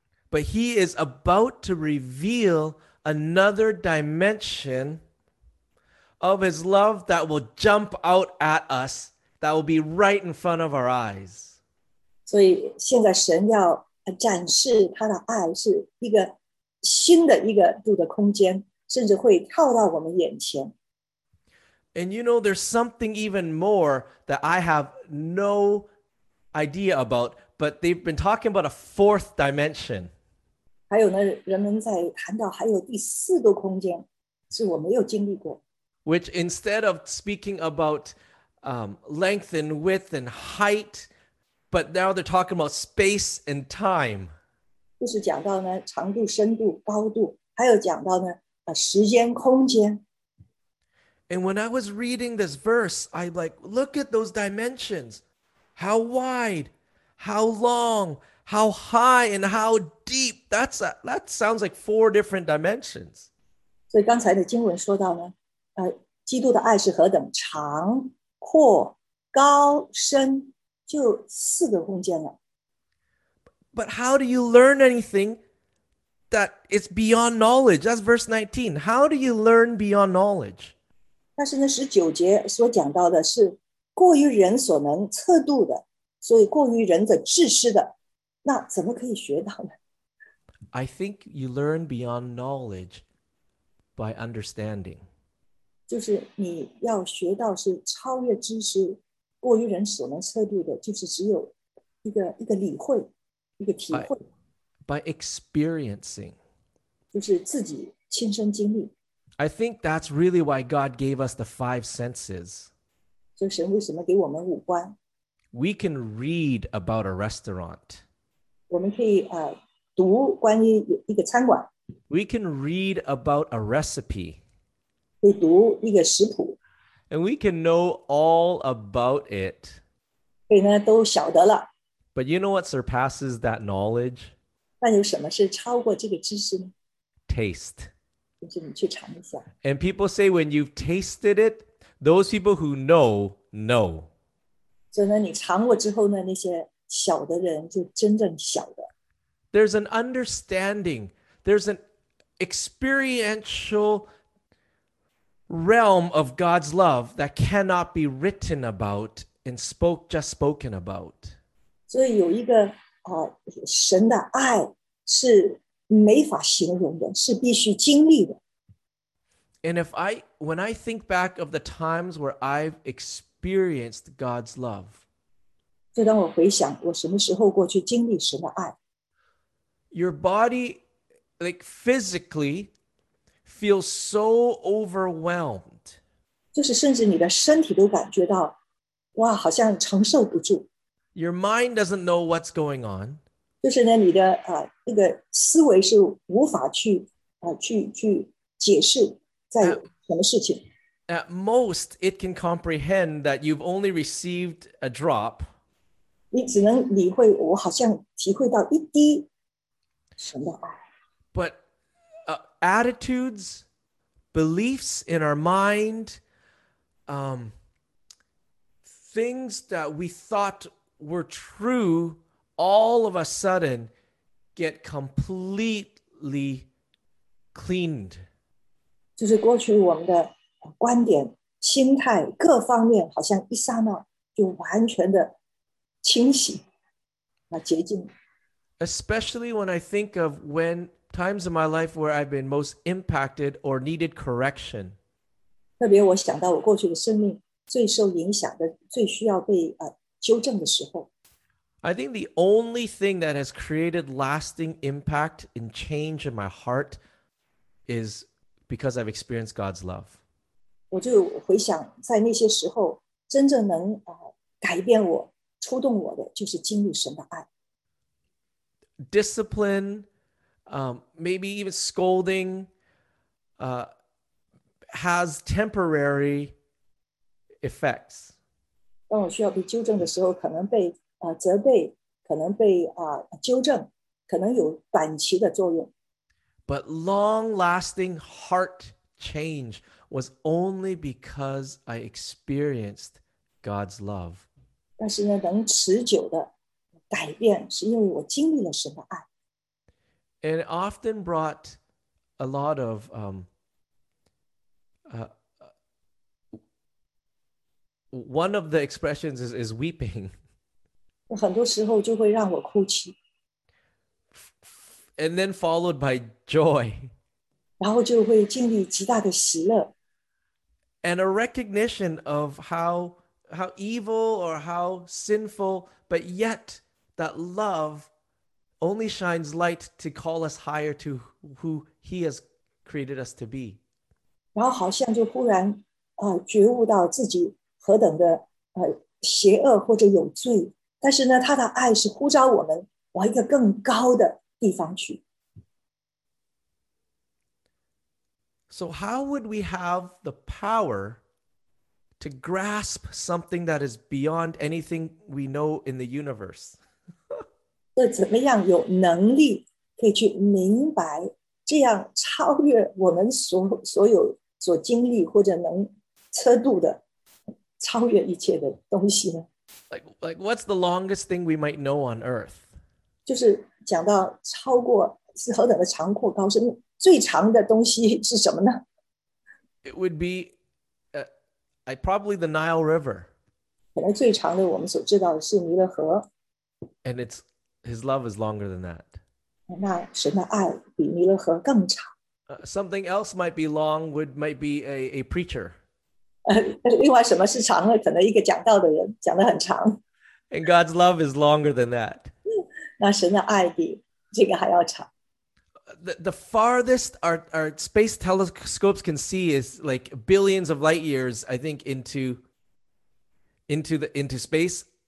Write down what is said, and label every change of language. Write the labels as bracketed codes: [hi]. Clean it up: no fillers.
[en] But he is about to reveal another dimension of his love that will jump out at us, that will be right in front of our eyes. [zh] 所以现在神要展示他的爱是一个新的一个度的空间，甚至会跳到我们眼前。 [en] And you know, there's something even more that I have no idea about. But they've been talking about a fourth dimension. [zh] 还有呢，人们在谈到还有第四个空间，是我没有经历过。 [en] Which instead of speaking about length and width and height, but now they're talking about space and time. [zh] 就是讲到呢，长度、深度、高度，还有讲到呢，时间、空间。 [en] And when I was reading this verse, I'm like, look at those dimensions. How wide! How long, how high, and how deep. That sounds like four different dimensions. [zh] 所以刚才的经文说到呢，基督的爱是何等长、阔、高、深，就四个空间了。 [en] But how do you learn anything that is beyond knowledge? That's verse 19. How do you learn beyond knowledge? [zh] 但是呢，十九节所讲到的是过于人所能测度的。所以过于人的知识的，那怎么可以学到呢？ [en] I think you learn beyond knowledge by understanding. [zh] 就是你要学到是超越知识，过于人所能测度的，就是只有一个理会，一个体会。 [en] By experiencing. [zh] 就是自己亲身经历。 [en] I think that's really why God gave us the five senses. [zh] 就神为什么给我们五官。 [en] We can read about a restaurant. [zh] 我们可以读关于一个餐馆。 [en] We can read about a recipe. [zh] 可以读一个食谱。 [en] And we can know all about it. [zh] 所以呢，都晓得了。 [en] But you know what surpasses that knowledge? [zh] 那有什么是超过这个知识呢？ [en] Taste. [zh] 就是你去尝一下。 [en] And people say when you've tasted it, those people who know, know. [zh] 所以呢，你尝过之后呢，那些晓得的人就真正晓得。 [en] There's an understanding, there's an experiential realm of God's love that cannot be written about and spoken about. [zh] 所以有一个神的爱是没法形容的，是必须经历的。 [en] And if I, when I think back of the times where I've experienced God's love, [zh] 就当我回想我什么时候过去经历神的爱, [en] your body, like physically, feels so overwhelmed. [zh] 就是甚至你的身体都感觉到哇好像承受不住。 [en] Your mind doesn't know what's going on. [zh] 就是呢你的那个思维是无法去去解释在什么事情。 [en] At most, it can comprehend that you've only received a drop. [zh] 你只能理会我好像体会到一滴神的爱。 [en] But attitudes, beliefs in our mind, things that we thought were true, all of a sudden get completely cleaned. [zh] 就是过去我们的观点、心态、各方面好像一刹那就完全的清洗、洁净。 [en] Especially when I think of when times in my life where I've been most impacted or needed correction. [zh] 特别我想到我过去的生命最受影响的、最需要被纠正的时候。 [en] I think the only thing that has created lasting impact and change in my heart is because I've experienced God's love. [zh] 我就回想在那些时候真正能改变我、触动我的就是经历神的爱。 [en] Discipline, maybe even scolding, has temporary effects. [zh] 当我需要被纠正的时候，可能被责备，可能被纠正，可能有短期的作用。 [en] But long-lasting heart change was only because I experienced God's love. [zh] 但是呢，能持久的改变，是因为我经历了神的爱。 [en] And it often brought a lot of one of the expressions is weeping. [zh] 很多时候就会让我哭泣。 [en] And then followed by joy. [zh] 然后就会经历极大的喜乐。 [en] And a recognition of how evil or how sinful, but yet that love only shines light to call us higher to who He has created us to be. [zh] 然后好像就忽然觉悟到自己何等的邪恶或者有罪，但是呢，他的爱是呼召我们往一个更高的地方去。 [en] So how would we have the power to grasp something that is beyond anything we know in the universe? [zh] 那怎么样有能力可以去明白这样超越我们所有所经历或者能测度的超越一切的东西呢？ [en] Like what's the longest thing we might know on earth? [zh] 就是讲到超过是何等的长阔高深，最长的东西是什么呢？ [en] It would be probably the Nile River. [zh] 可能最长的我们所知道的是尼勒河。 [en] And it'sHis love is longer than that. [zh] 那神的爱比尼勒河更长。 [en] Something else might be long, might be a preacher. [zh] 另外什么是长的，可能一个讲道的人，讲得很长。 [en] And God's love is longer than that. [zh] 那神的爱比这个还要长。 [en] The farthest our space telescopes can see is like billions of light years, I think, into space.